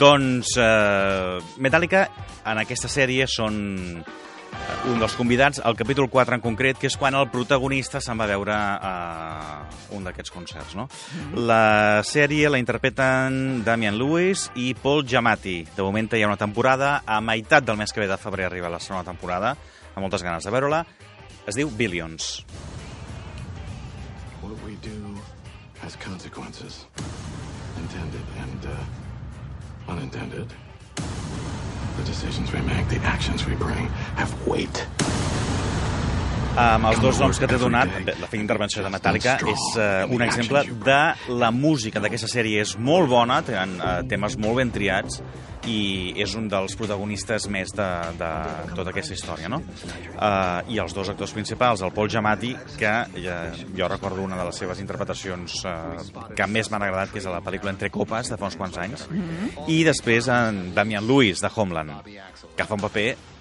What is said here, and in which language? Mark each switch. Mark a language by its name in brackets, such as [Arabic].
[Catalan] Doncs Metallica, en aquesta sèrie, són un dels convidats, el capítol 4 en concret, que és quan el protagonista se'n va veure a un d'aquests concerts, no? Mm-hmm. La sèrie la interpreten Damian Lewis i Paul Giamatti. De moment hi ha una temporada, a meitat del mes que ve de febrer arriba la segona temporada, amb moltes ganes de veure-la. Es diu Billions. [English] What we do has consequences. Intended and unintended. The decisions we make, the actions we bring have weight. [Catalan] Amb els dos noms que t'he donat, la fina intervenció de Metallica és un exemple de la música d'aquesta sèrie. És molt bona, tenen temes molt ben triats i és un dels protagonistes més de tota aquesta història, no? I els dos actors principals, el Paul Giamatti, que jo recordo una de les seves interpretacions que més m'han agradat, que és a la pel·lícula Entre copes, de fa uns quants anys, i després en Damian Lewis, de Homeland, que fa un paper...